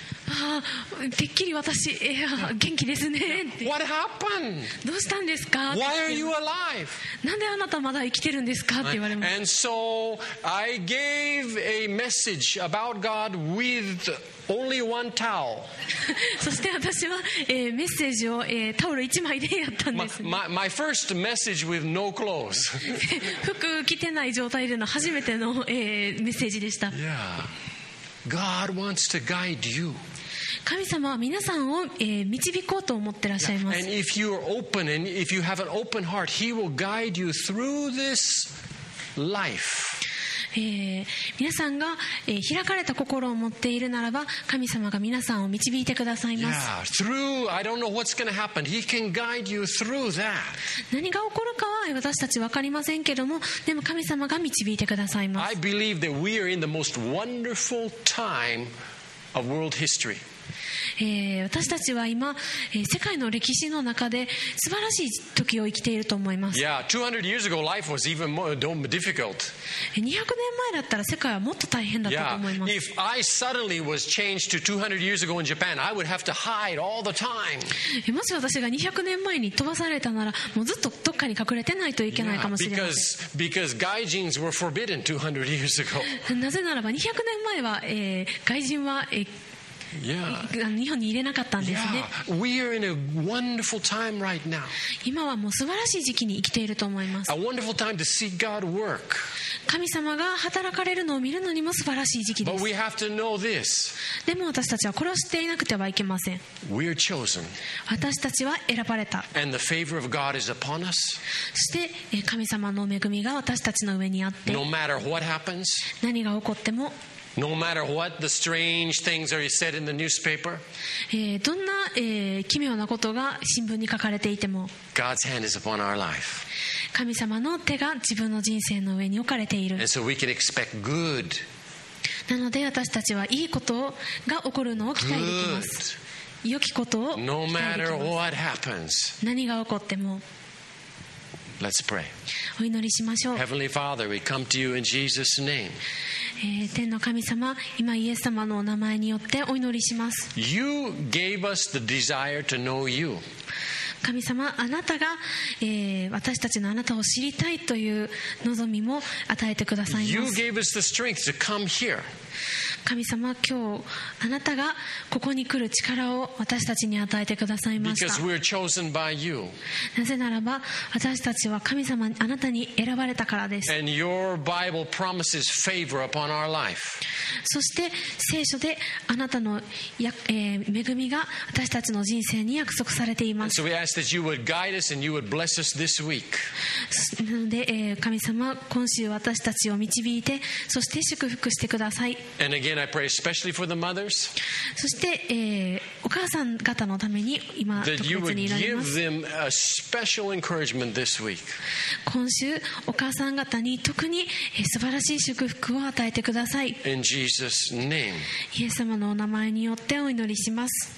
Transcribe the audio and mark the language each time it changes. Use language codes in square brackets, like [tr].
[ja] ああ、てっきり私、元気ですね。 [en] What happened? [ja] どうしたんですか。 [en] Why are you alive? [ja] なんであなたまだ生きてるんですかって言われました。 [en] And so I gave a message about God with only one towel. [ja] そして私は、メッセージを、タオル一枚でやったんです、ね。 [en] My first message with no clothes. [ja] 服着てない状態での初めての、メッセージでした。 [en] Yeah. God wants to guide you. [ja] 神様は皆さんを、導こうと思ってらっしゃいます。 [en] And if you are open and if you have an open heart, He will guide you through this life. [ja] 皆さんが、開かれた心を持っているならば、神様が皆さんを導いてくださいます。 [en] Yeah, through I don't know what's going to happen. He can guide you through that. [ja] 何が起こるかは私たち分かりませんけども、でも神様が導いてくださいます。 [en] I believe that we are in the most wonderful time of world history. [ja] 私たちは今、世界の歴史の中で素晴らしい時を生きていると思います。 [en] Yeah, 200 years ago, life was even more difficult. [ja] 200年前だったら世界はもっと大変だったと思います。 [en] Yeah, if I suddenly was changed to 200 years ago in Japan, I would have to hide all the time. [ja] もし私が200年前に飛ばされたなら、もうずっとどっかに隠れてないといけないかもしれません。 [en] Yeah, because gaijins were forbidden 200 years ago. [ja] なぜならば200年前は、外人は、 [en] Yeah. [ja] 日本に入れなかったんですね。 [en] Yeah. We are in a wonderful time right now. [ja] 今はもう素晴らしい時期に生きていると思います。 [en] A wonderful time to see God work. [ja] 神様が働かれるのを見るのにも素晴らしい時期です。 [en] But we have to know this. [ja] でも私たちはこれを知っていなくてはいけません。 [en] We're chosen. [ja] 私たちは選ばれた。 [en] And the favor of God is upon us. [ja] そして神様の恵みが私たちの上にあって、 [en] No matter what happens. [ja] 何が起こっても、 [en] No matter what the strange things are said in the newspaper, [ja] どんな、奇妙なことが新聞に書かれていても、 [en] God's hand is upon our life. [ja] 神様の手が自分の人生の上に置かれている。 [en] And so we can expect good. [ja] なので私たちはいいことが起こるのを期待できます。 [en] Good. [ja] 良きことを期待できます。 [en] No matter what happens. [ja] 何が起こっても。 [en] Let's pray. [ja] お祈りしましょう。 [en] Heavenly Father, we come to you in Jesus' name. [ja] 天の神様、今イエス様のお名前によってお祈りします。 [en] You gave us the desire to know you. [ja] 神様、あなたが、私たちのあなたを知りたいという望みも与えてくださいます。 [en] You gave us the strength to come here. [ja] 神様、今日あなたがここに来る力を私たちに与えてくださいました。 [en] Because we're chosen by you. [ja] なぜならば私たちは神様あなたに選ばれたからです。 [en] And your Bible promises favor upon our life. [ja] そして聖書であなたの、恵みが私たちの人生に約束されています。 [en] And so we ask that you would guide us and you would bless us this week. [ja] なので、神様、今週私たちを導いて、そして祝福してください。 [en] And again, I pray especially for the mothers. [ja] そして、お母さん方のために今特別に祈ります。 [en] That you would give them a special encouragement this week. [ja] 今週お母さん方に特に、素晴らしい祝福を与えてください。 [en] In Jesus' name. [ja] イエス様のお名前によってお祈りします。